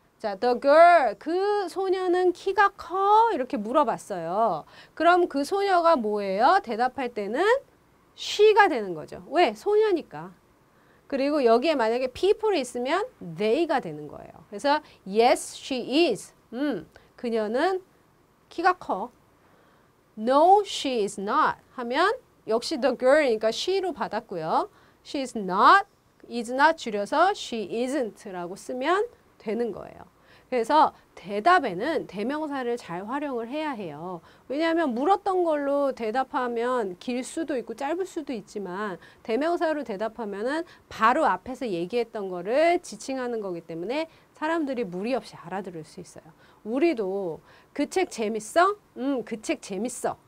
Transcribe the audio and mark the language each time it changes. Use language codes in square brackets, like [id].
[ko] 자, the girl, 그 소녀는 키가 커? 이렇게 물어봤어요. 그럼 그 소녀가 뭐예요? 대답할 때는 she가 되는 거죠. 왜? 소녀니까. 그리고 여기에 만약에 people이 있으면 they가 되는 거예요. 그래서 [en] yes, she is. [ko] 그녀는 키가 커. [en] No, she is not. [ko] 하면 역시 the girl이니까 she로 받았고요. She is not, is not 줄여서 she isn't라고 쓰면 되는 거예요. 그래서 대답에는 대명사를 잘 활용을 해야 해요. 왜냐하면 물었던 걸로 대답하면 길 수도 있고 짧을 수도 있지만 대명사로 대답하면은 바로 앞에서 얘기했던 거를 지칭하는 거기 때문에 사람들이 무리 없이 알아들을 수 있어요. 우리도 그책 재밌어? 그책 재밌어.